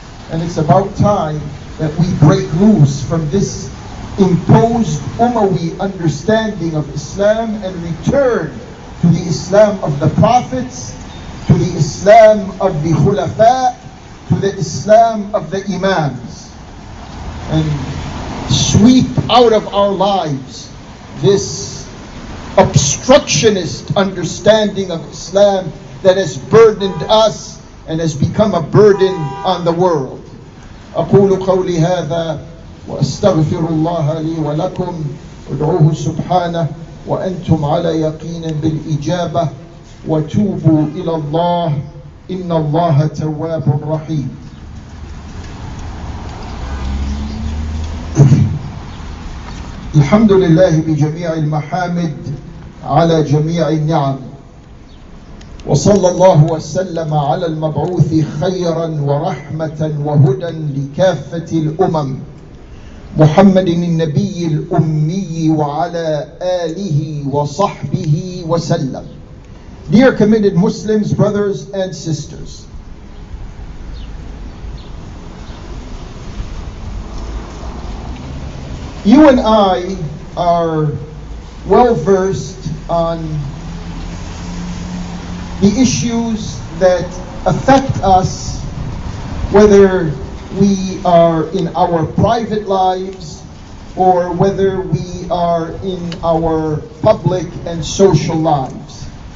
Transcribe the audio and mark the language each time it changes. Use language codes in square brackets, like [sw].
[en] And it's about time that we break loose from this imposed Ummawi understanding of Islam and return to the Islam of the Prophets, to the Islam of the Khulafa, to the Islam of the Imams, and sweep out of our lives this obstructionist understanding of Islam that has burdened us and has become a burden on the world. [ar] أقول قولي هذا وأستغفر الله لي ولكم ودعوه سبحانه وأنتم على يقين بالإجابة وتوبوا إلى الله إن الله تواب رحيم. الحمد لله بجميع المحامد على جميع النعم، وصلى الله وسلم على المبعوث خيرا ورحمة وهدى لكافة الأمم محمد النبي الأمي وعلى آله وصحبه وسلم. [en] Dear committed Muslims, brothers and sisters, you and I are well versed on the issues that affect us, whether we are in our private lives or whether we are in our public and social lives.